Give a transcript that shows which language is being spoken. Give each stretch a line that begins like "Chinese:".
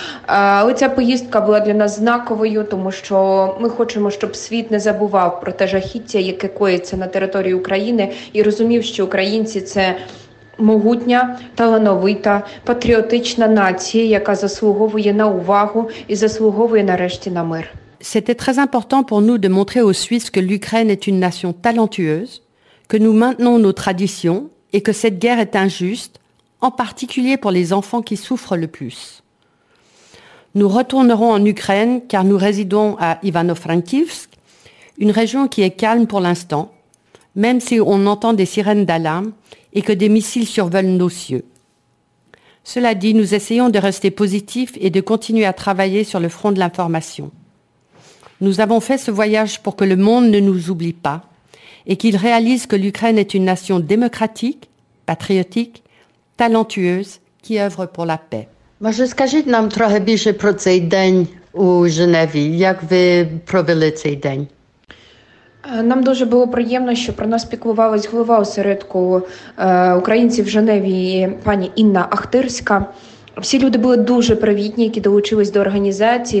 Ukrainian: Але ця поїздка була для нас знаковою, тому що ми хочемо, щоб світ не забував про те жахіття, яке коїться на території України, і розумів, що українці – це могутня, талановита, патріотична нація, яка заслуговує на увагу і заслуговує нарешті на мир.
French: C'était très important pour nous de montrer aux Suisses que l'Ukraine est une nation talentueuse, que nous maintenons nos traditions et que cette guerre est injuste, en particulier pour les enfants qui souffrent le plus. Nous retournerons en Ukraine car nous résidons à Ivano-Frankivsk, une région qui est calme pour l'instant, même si on entend des sirènes d'alarme et que des missiles survolent nos cieux. Cela dit, nous essayons de rester positifs et de continuer à travailler sur le front de l'information. Nous avons fait ce voyage pour que le monde ne nous oublie pas et qu'il réalise que l'Ukraine est une nation démocratique, patriotique, talentueuse qui œuvre pour la paix.
Ukrainian: Може, скажіть нам трохи більше про цей день у Женеві, як ви провели цей день? Нам дуже було приємно, що про нас піклувалась голова осередку українців в Женеві, пані Інна Ахтирська. Всі люди були дуже привітні, які долучились до організації.